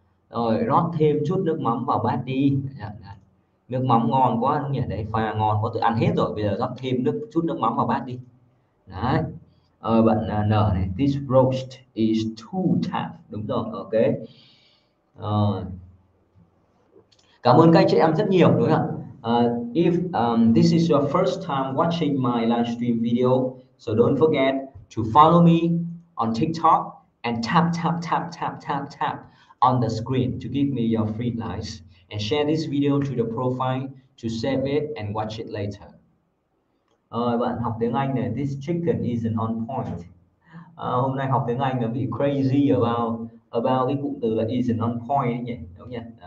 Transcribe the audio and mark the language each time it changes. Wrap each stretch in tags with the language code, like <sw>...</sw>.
<vi>Rồi rót thêm chút nước mắm vào bát đi, nước mắm ngon quá đúng nhỉ, đấy pha ngon quá, tự ăn hết rồi, bây giờ rót thêm nước chút nước mắm vào bát đi đấy. Rồi bạn nở này,</vi> <en>this roast is too tough,</en> <vi>đúng rồi, ok. Cảm ơn các chị em rất nhiều, đúng không ạ?</vi> <en>If this is your first time watching my live stream video, so don't forget to follow me on TikTok and tap on the screen to give me your free likes and share this video to the profile to save it and watch it later.</en> <vi>Bạn học tiếng Anh này,</vi> <en>this chicken isn't on point.</en> <vi>Hôm nay học tiếng Anh là bị</vi> <en>crazy about</en> <vi>cái cụm từ là isn't on point ấy nhỉ, đúng nhỉ?</vi>